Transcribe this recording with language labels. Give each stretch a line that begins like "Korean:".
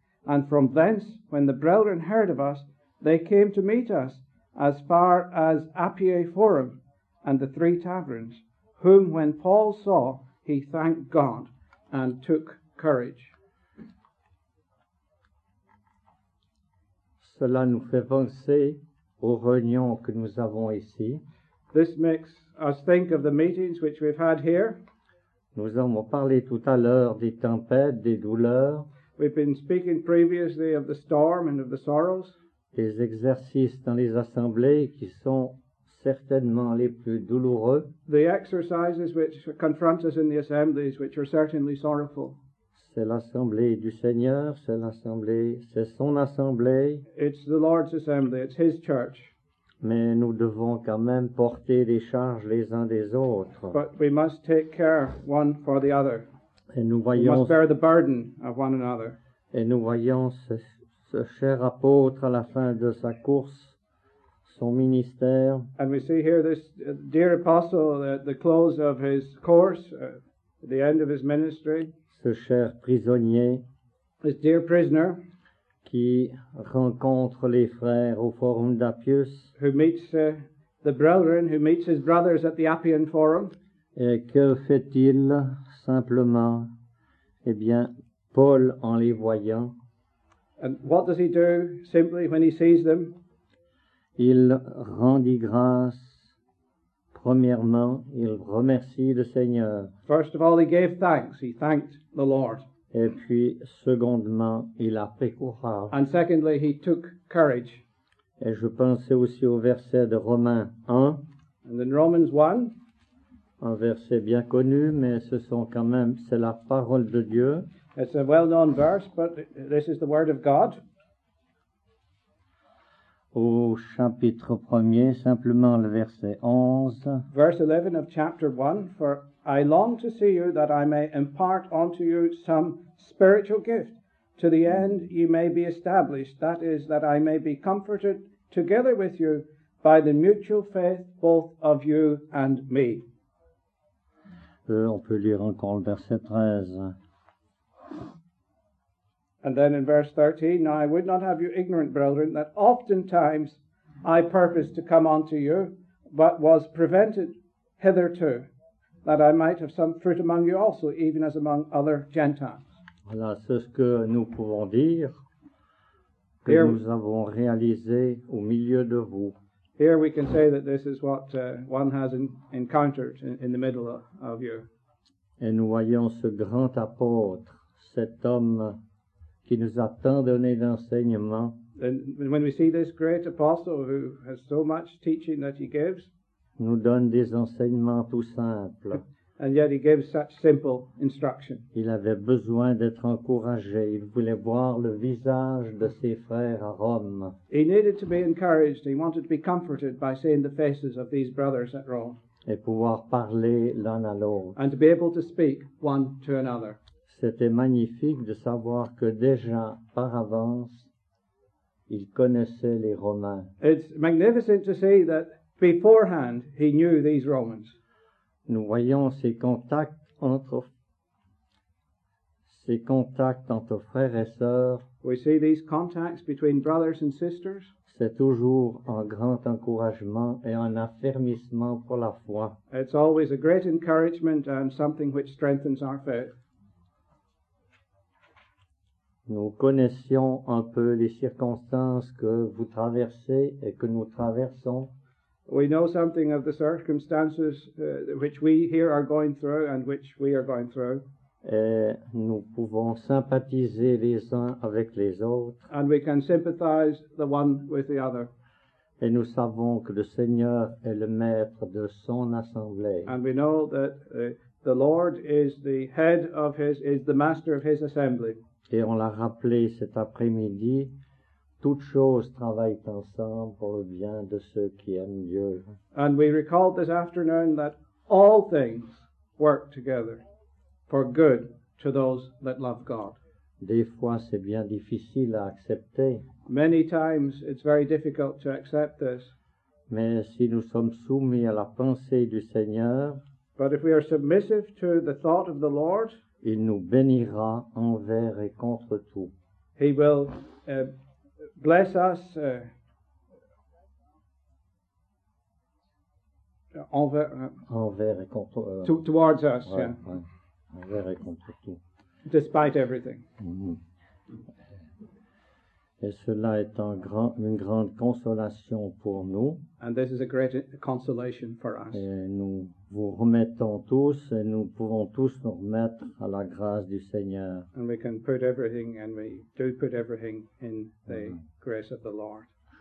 English: And from thence, when the brethren heard of us, they came to meet us as far as Appiae Forum and the three taverns, whom when Paul saw, he thanked God and took courage.
French: Cela nous fait penser aux réunions que nous avons ici.
English: This makes us think of the meetings which we've had here.
French: Nous avons parlé tout à l'heure des tempêtes, des douleurs.
English: We've been speaking previously of the storm and of the sorrows.
French: Des exercices dans les assemblées qui sont certainement les plus douloureux.
English: The exercises which confront us in the assemblies which are certainly sorrowful.
French: C'est l'assemblée du Seigneur, c'est l'assemblée, c'est son assemblée.
English: It's the Lord's assembly, it's his church.
French: Mais nous devons quand même porter les charges les uns des autres.
English: But we must take care one for the other.
French: Et nous voyons,
English: we must bear the burden of one another.
French: Et nous voyons ce cher apôtre à la fin de sa course, son ministère.
English: And we see here this dear apostle at the close of his course, at the end of his ministry.
French: Ce cher prisonnier,
English: this dear prisoner,
French: qui rencontre les frères au Forum d'Appius,
English: who meets the brethren, who meets his brothers at the Appian Forum.
French: Et que fait-il simplement? Eh bien, Paul, en les voyant,
English: and what does he do simply when he sees them?
French: Il rendit grâce. Premièrement, il remercie le Seigneur.
English: First of all, he gave thanks. He thanked the Lord.
French: Et puis, secondement, il a pris courage.
English: And secondly, he took courage.
French: Et je pensais aussi au verset de Romains 1.
English: And in Romans 1.
French: Un verset bien connu, mais ce sont quand même, c'est la parole de Dieu.
English: It's a well-known verse, but this is the word of God.
French: Au chapitre 1er, simplement le verset 11.
English: Verse 11 of chapter 1. For I long to see you, that I may impart unto you some spiritual gift, to the end you may be established, that is, that I may be comforted together with you by the mutual faith both of you and me.
French: On peut lire encore le verset 13.
English: And then in verse 13, now I would not have you ignorant, brethren, that oftentimes I purposed to come unto you, but was prevented hitherto, that I might have some fruit among you also, even as among other Gentiles.
French: Voilà, c'est ce que nous pouvons dire, que here, nous avons réalisé au milieu de vous.
English: Here we can say that this is what one has encountered in the middle of you.
French: Et nous voyons ce grand apôtre, cet homme qui nous a tant donné d'enseignements.
English: And when we see this great apostle who has so much teaching that he gives,
French: nous donne des enseignements tout simples.
English: And yet he gives such simple instruction.
French: Il avait besoin d'être encouragé. Il voulait voir le visage de ses frères à Rome.
English: He needed to be encouraged. He wanted to be comforted by seeing the faces of these brothers at Rome.
French: Et pouvoir parler l'un à l'autre.
English: And to be able to speak one to another.
French: C'était magnifique de savoir que déjà par avance, il connaissait les Romains.
English: It's magnificent to see that beforehand he knew these Romans.
French: Nous voyons ces contacts entre frères et sœurs.
English: We see these contacts between brothers and sisters.
French: C'est toujours un grand encouragement et un affermissement pour la foi.
English: It's always a great encouragement and something which strengthens our faith.
French: Nous connaissions un peu les circonstances que vous traversez et que nous traversons.
English: We know something of the circumstances which we here are going through and which we are going through.
French: Et nous pouvons sympathiser les uns avec les autres.
English: And we can sympathize the one with the other.
French: Et nous savons que le Seigneur est le maître de son assemblée.
English: And we know that the Lord is the head of his, is the master of his assembly.
French: Et on l'a rappelé cet après-midi. Toutes choses travaillent ensemble pour le bien de ceux qui aiment Dieu.
English: And we recalled this afternoon that all things work together for good to those that love God.
French: Des fois, c'est bien difficile à accepter.
English: Many times, it's very difficult to accept this.
French: Mais si nous sommes soumis à la pensée du Seigneur,
English: but if we are submissive to the thought of the Lord,
French: il nous bénira envers et contre tout.
English: He will bless us
French: envers et contre
English: towards us, ouais, yeah.
French: Ouais. Envers et contre tout.
English: Despite everything. Mm-hmm.
French: Et cela est une grande consolation pour nous.
English: And this is a great consolation for us.
French: Et nous vous remettons tous et nous pouvons tous nous remettre à la grâce du Seigneur.
English: And we can put everything and we do put everything in the grace of the Lord.